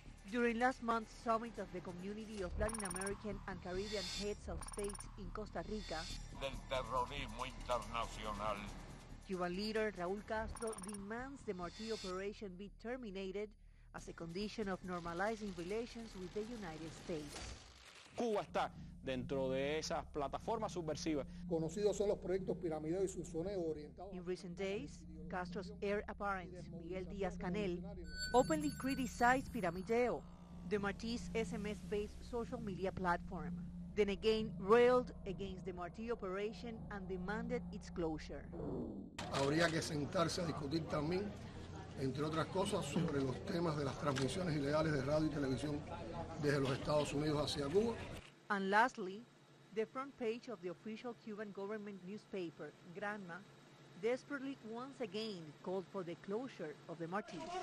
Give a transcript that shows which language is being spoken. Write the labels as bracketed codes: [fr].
[en] During last month's summit of the community of Latin American and Caribbean heads of state in Costa Rica, [es] del terrorismo internacional, [en] Cuban leader Raúl Castro demands the Martí operation be terminated as a condition of normalizing relations with the United States. [es] Cuba está dentro de esas plataformas subversivas. Conocidos son los proyectos piramidales y sus soneos orientados. [en] In recent days, Castro's heir apparent, Miguel Díaz-Canel, openly criticized Piramideo, the Martí's SMS-based social media platform. Then again, railed against the Martí operation and demanded its closure. [es] Habría que sentarse a discutir también, entre otras cosas, sobre los temas de las transmisiones ilegales de radio y televisión desde los Estados Unidos hacia Cuba. [en] And lastly, the front page of the official Cuban government newspaper, Granma, desperately once again called for the closure of the Martí.